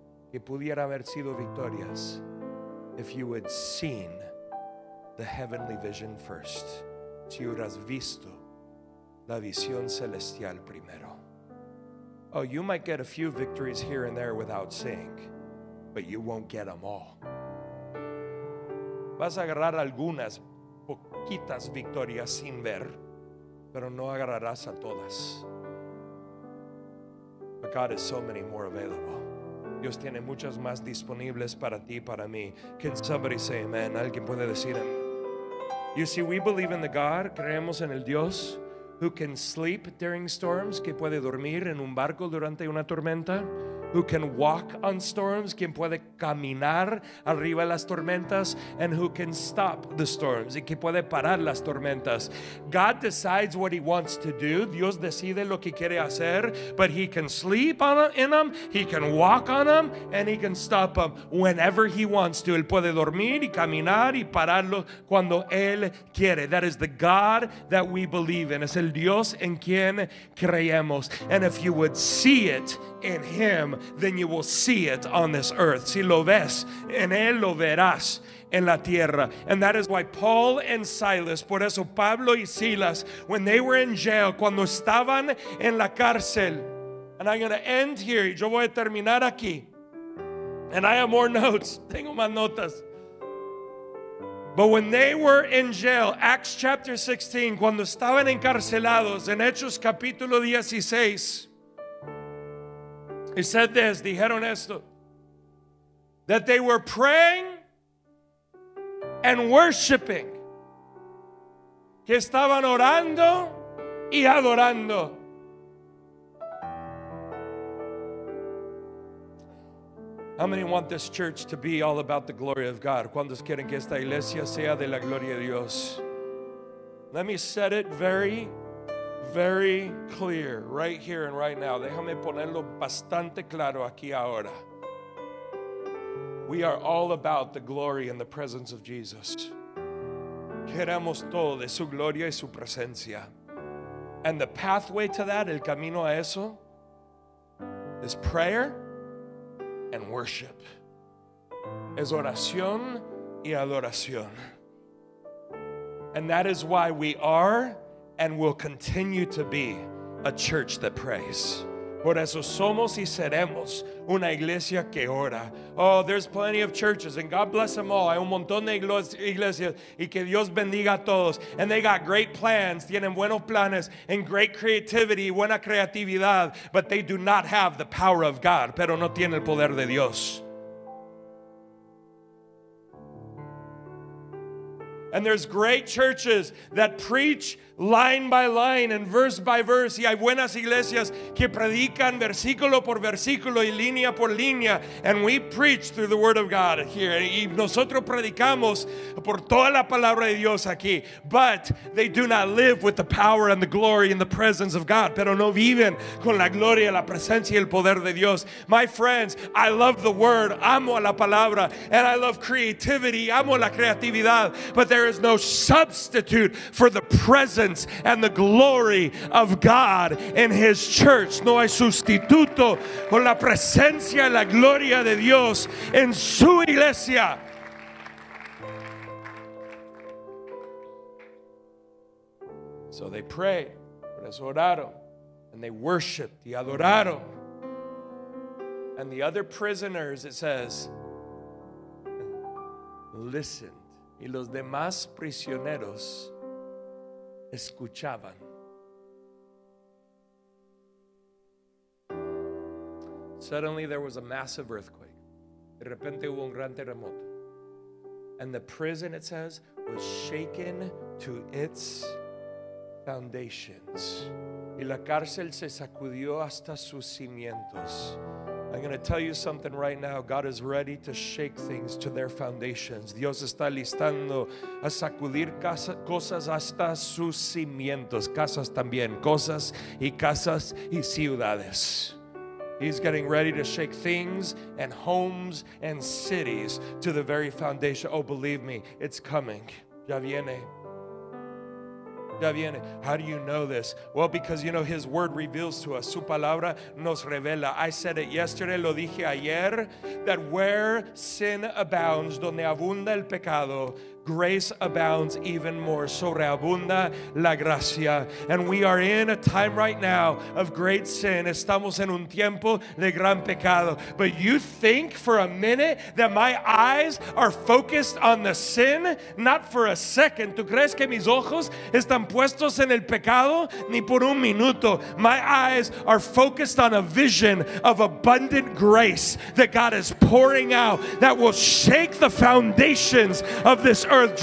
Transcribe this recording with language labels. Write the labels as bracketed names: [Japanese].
[Spanish] Que pudiera haber sido victorias [English] if you had seen the heavenly vision first. [Spanish] Si hubieras visto la visión celestial primero. [English] Oh, you might get a few victories here and there without seeing, but you won't get them all. [Spanish] Vas a agarrar algunas poquitas victorias sin ver, pero no agarrarás a todas. [English] But God is so many more available. [Spanish] Dios tiene muchas más disponibles para ti, para mí. [English] Can somebody say amen? [Spanish] ¿Alguien puede decir amen? [English] You see, we believe in the God, [Spanish] creemos en el Dios, [English] who can sleep during storms, [Spanish] que puede dormir en un barco durante una tormenta. [English] Who can walk on storms, [Spanish] quien puede caminar arriba de las tormentas, [English] and who can stop the storms, [Spanish] y que puede parar las tormentas. [English] God decides what he wants to do. [Spanish] Dios decide lo que quiere hacer, [English] but he can sleep on, in them, he can walk on them, and he can stop them whenever he wants to. [Spanish] Él puede dormir y caminar y pararlo cuando él quiere. [English] That is the God that we believe in. [Spanish] Es el Dios en quien creemos. [English] And if you would see it in him, then you will see it on this earth. [Spanish] Si lo ves en él, lo verás en la tierra. [English] And that is why Paul and Silas, [Spanish] por eso Pablo y Silas, [English] when they were in jail, [Spanish] cuando estaban en la cárcel. [English] And I'm going to end here. [Spanish] Yo voy a terminar aquí. [English] And I have more notes. [Spanish] Tengo más notas. [English] But when they were in jail, Acts chapter 16, [Spanish] cuando estaban encarcelados, en Hechos capítulo 16, [English] he said this, [Spanish] dijeron esto, [English] that they were praying and worshiping. [Spanish] Que estaban orando y adorando. [English] How many want this church to be all about the glory of God? [Spanish] ¿Cuántos quieren que esta iglesia sea de la gloria de Dios? [English] Let me set it very very clear right here and right now. [Spanish] Déjame ponerlo bastante claro aquí ahora. [English] We are all about the glory and the presence of Jesus. [Spanish] Queremos todo de su gloria y su presencia. [English] And the pathway to that, [Spanish] el camino a eso, [English] is prayer and worship. [Spanish] Es oración y adoración. [English] And that is why we are and will continue to be a church that prays. [Spanish] Por eso somos y seremos una iglesia que ora. [English] Oh, there's plenty of churches, and God bless them all. [Spanish] Hay un montón de iglesias, y que Dios bendiga a todos. [English] And they got great plans, [Spanish] tienen buenos planes, [English] and great creativity, [Spanish] buena creatividad, [English] but they do not have the power of God, [Spanish] pero no tienen el poder de Dios. [English] And there's great churches that preach line by line and verse by verse. [Spanish] Y hay buenas iglesias que predican versículo por versículo y línea por línea. [English] And we preach through the word of God here. [Spanish] Y nosotros predicamos por toda la palabra de Dios aquí. [English] But they do not live with the power and the glory and the presence of God. [Spanish] Pero no viven con la gloria, la presencia y el poder de Dios. [English] My friends, I love the word. [Spanish] Amo a la palabra. [English] And I love creativity. [Spanish] Amo la creatividad. [English] But there is no substitute for the presence and the glory of God in His church. [Spanish] No hay sustituto por la presencia y la gloria de Dios en su iglesia. [English] So they pray, [Spanish] oraron, [English] and they worshiped [Spanish] y adoraron. [English] And the other prisoners, it says, listen. [Spanish] Y los demás prisioneros escuchaban. [English] Suddenly there was a massive earthquake. [Spanish] De repente hubo un gran terremoto. [English] And the prison, it says, was shaken to its foundations. [Spanish] Y la cárcel se sacudió hasta sus cimientos. [English] I'm going to tell you something right now. God is ready to shake things to their foundations. [Spanish] Dios está listando a sacudir cosas hasta sus cimientos. Casas también. Cosas y ciudades. [English] He's getting ready to shake things and homes and cities to the very foundation. Oh, believe me, it's coming. [Spanish] Ya viene. [English] How do you know this? Well, because you know His word reveals to us. [Spanish] Su palabra nos revela. [English] I said it yesterday, [Spanish] lo dije ayer, [English] that where sin abounds, [Spanish] donde abunda el pecado, [English] grace abounds even more. [Spanish] Sobreabunda la gracia. [English] And we are in a time right now of great sin. [Spanish] Estamos en un tiempo de gran pecado. [English] But you think for a minute that my eyes are focused on the sin? Not for a second. [Spanish] ¿Tú crees que mis ojos están puestos en el pecado? Ni por un minuto. [English] My eyes are focused on a vision of abundant grace that God is pouring out that will shake the foundations of this earth.